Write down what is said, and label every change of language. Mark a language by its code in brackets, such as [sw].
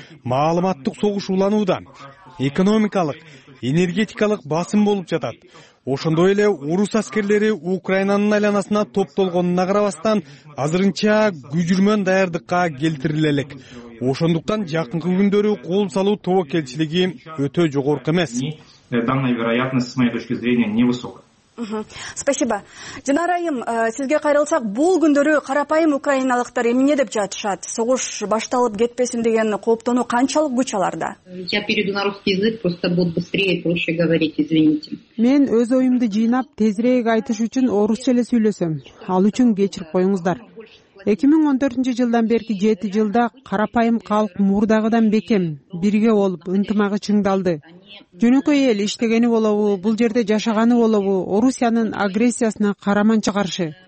[ky] Маалыматтык согуш уланууда. Экономикалык, энергетикалык басым болуп жатат. Ошондой эле орус аскерлери Украинанын айланасына топтолгонуна карабастан, азырынча күжүрмөн даярдыкка келтириле элек. Ошондуктан жакынкы күндөрү кол салуу тобокелчилиги өтө жогорку эмес. [ru] Данная вероятность, с моей точки зрения, невысока. Спасибо. [ky] Динара айым, сизге кайрылсак, бул күндөрү карапайым украиналыктар эмне деп жатышат? Согуш башталып кетпесин деген кооптонуу канчалык күч аларда? [ru] Я перейду на русский язык, просто буду быстрее и проще говорить, извините. [ky] Мен өз оюмду жыйнап, тезирээк айтыш үчүн орусча эле сүйлөсөм. Ал үчүн кечирип коюңуздар. 2014 жылдан берки 7 жылда карапайым калк мурдагыдан бекем, бирге болуп, ынтымагы чыңдалды. Жөнөкөй эл иштегени болобу, бул жерде жашаганы болобу, Орусиянын агрессиясына караманча каршы.